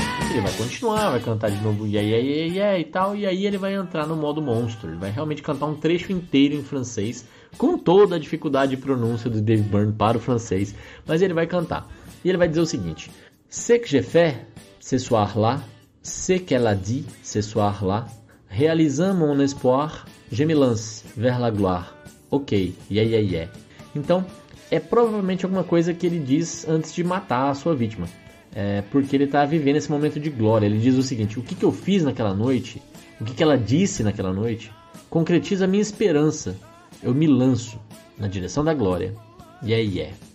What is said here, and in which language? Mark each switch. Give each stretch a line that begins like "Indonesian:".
Portuguese: ele vai continuar, vai cantar de novo yeah, e tal, e aí ele vai entrar no modo monstro, ele vai realmente cantar um trecho inteiro em francês, com toda a dificuldade de pronúncia do David Byrne para o francês, mas ele vai cantar. E ele vai dizer o seguinte:
French: Ce que j'ai fait ce soir là, ce qu'elle a dit ce soir là, réalisant mon espoir, je me lance vers la gloire.
English: Ok, yeah.
Portuguese: Então, é provavelmente alguma coisa que ele diz antes de matar a sua vítima. É porque ele está vivendo esse momento de glória. Ele diz o seguinte: o que, que eu fiz naquela noite, o que, que ela disse naquela noite, concretiza a minha esperança. Eu me lanço na direção da glória. Yeah.